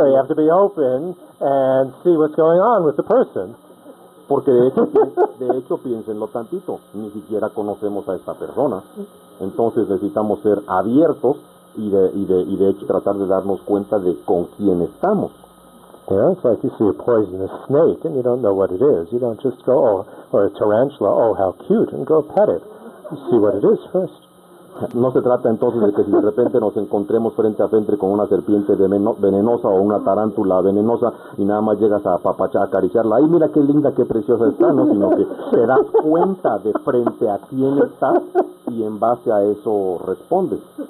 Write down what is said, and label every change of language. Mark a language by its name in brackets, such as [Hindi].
[English] so you have to be open and see what's going on with the person. [Spanish] Porque de hecho piénsenlo tantito, ni siquiera conocemos a esta persona. Entonces necesitamos ser abiertos y de hecho tratar de darnos cuenta de con quién estamos. [English] Yeah, it's like you see a poisonous snake and you don't know what it is. You don't just go, oh, or a tarantula, oh, how cute, and go pet it. You see what it is first. [Spanish] No se trata entonces de que si de repente nos encontremos frente a frente con una serpiente venenosa o una tarántula venenosa y nada más llegas a papachar, a acariciarla, ¡ay, mira qué linda, qué preciosa está!, ¿no? Sino que te das cuenta de frente a quién estás y en base a eso respondes.